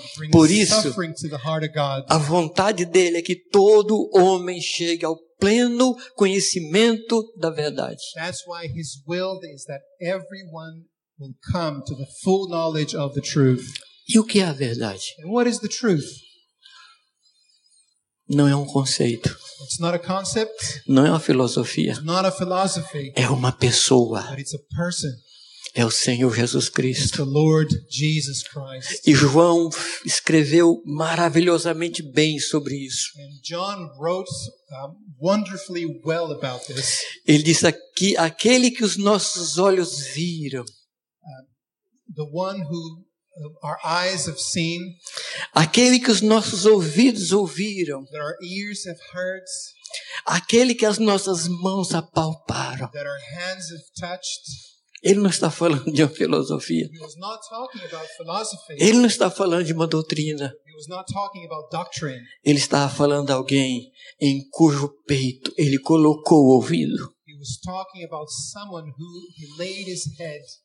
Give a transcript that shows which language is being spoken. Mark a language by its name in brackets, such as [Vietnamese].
[Portuguese] Por isso, a vontade dele é que todo homem chegue ao pleno conhecimento da verdade. [English] That's why his will is that everyone will come to the full knowledge of the truth. [Portuguese] E o que é a verdade? [English] And what is the truth? [Portuguese] Não é um conceito. [English] It's not a concept. [Portuguese] Não é uma filosofia. [English] It's not a philosophy. [Portuguese] É uma pessoa. [English] But it's a person. [Portuguese] É o Senhor Jesus Cristo. [English] It's the Lord Jesus Christ. [Portuguese] E João escreveu maravilhosamente bem sobre isso. [English] And John wrote wonderfully well about this. [Portuguese] Ele disse aqui, aquele que os nossos olhos viram. [English] The one who our eyes have seen, [Portuguese] aquele que os nossos ouvidos ouviram, [English] that our ears have heard, [Portuguese] aquele que as nossas mãos apalparam, [English] that our hands have touched. [Portuguese] Ele não está falando de uma filosofia. [English] He was not talking about philosophy. [Portuguese] Ele não está falando de uma doutrina. [English] He was not talking about doctrine. [Portuguese] Ele estava falando de alguém em cujo peito ele colocou o ouvido. [English] He was talking about someone who he laid his head.